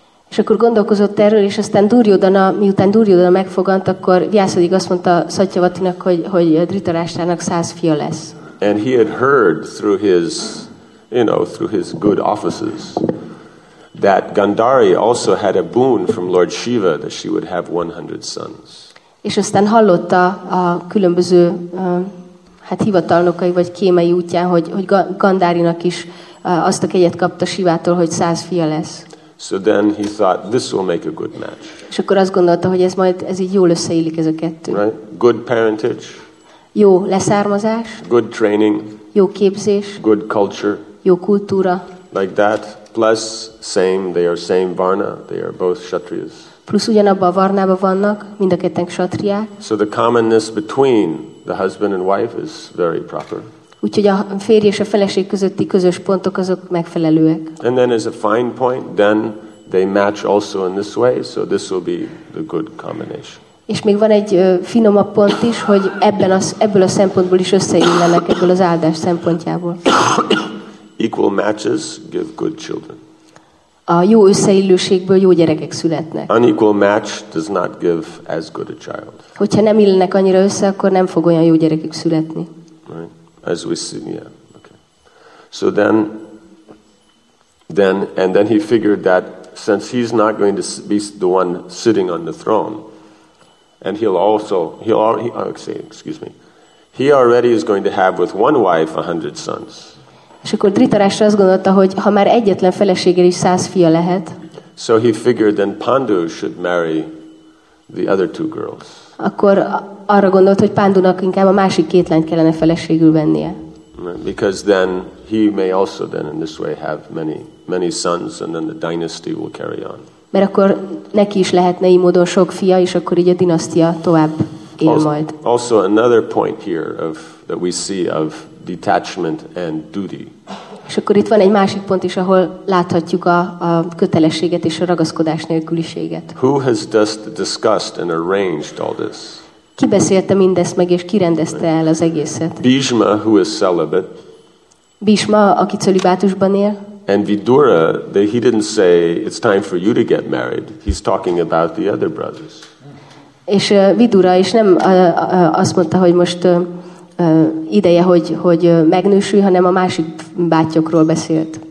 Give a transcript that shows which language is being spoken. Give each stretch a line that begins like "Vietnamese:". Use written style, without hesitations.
Hungarian: És akkor gondolkozott erről, és aztán Duryodhana, miután Duryodhana megfogant, akkor Vyasadeva azt mondta Satyavatinak, hogy Dhritarashtrának 100 fia lesz.
English: And he had heard through his through his good offices that Gandhari also had a boon from Lord Shiva that she would have 100 sons.
Hungarian: És aztán hallotta a különböző hivatalnokai vagy kémei útján, hogy Gandharinak is azt a kegyet kapta Shivától, hogy 100 fia lesz.
English: So then he thought this will make a good match.
Hungarian: És akkor azt gondolta, hogy ez így jól összeillik ez a kettő.
English: Right? Good parentage.
Hungarian: Jó leszármazás.
English: Good training.
Hungarian: Jó képzés.
English: Good culture.
Hungarian: Jó kultúra.
English: Like that, plus same, they are same varna, they are both kshatriyas.
Hungarian: Plusz ugyanabban a varnában vannak, mind a ketten kshatriák.
English: So the commonness between the husband and wife is very proper.
Hungarian: Úgyhogy a férj és a feleség közötti közös pontok azok megfelelőek.
English: And then as a fine point, then they match also in this way, so this will be the good combination.
Hungarian: És még van egy finomabb pont is, hogy ebből a szempontból is összeillenek, ebből az áldás szempontjából.
English: Equal matches give good children.
Hungarian: A jó összeillőségből jó gyerekek születnek.
English: Unequal match does not give as good a child.
Hungarian: Hogyha nem illenek annyira össze, akkor nem fog olyan jó gyerekek születni.
English: Right. As we see, yeah. Okay. So then he figured that since he's not going to be the one sitting on the throne, and he already is going to have with one wife 100 sons.
Hungarian: És akkor Dhritarashtra azt gondolta, hogy ha már egyetlen feleséggel is 100 fia lehet.
English: So he figured then Pandu should marry the other two girls.
Hungarian: Akkor arra gondolt, hogy Pandunak inkább a másik két lányt kellene feleségül vennie.
English: Because then he may also then in this way have many, many sons and then the dynasty will carry on.
Hungarian: Mert akkor neki is lehetne így módon sok fia, és akkor így a dinasztia tovább él majd.
English: Also another point here that we see of detachment and duty.
Hungarian: És akkor itt van egy másik pont is, ahol láthatjuk a kötelességet és a ragaszkodás nélküliséget.
English: Who has just discussed and arranged all this?
Hungarian: Ki beszélte mindezt meg, és kirendezte el az egészet?
English: Bhishma, who is celibate.
Hungarian: Bhishma, aki cölibátusban él.
English: And Vidura, he didn't say it's time for you to get married. He's talking about the other brothers.
Hungarian: És Vidura is nem azt mondta, hogy most ideje, hogy megnősülj, hanem a másik bátyokról beszélt.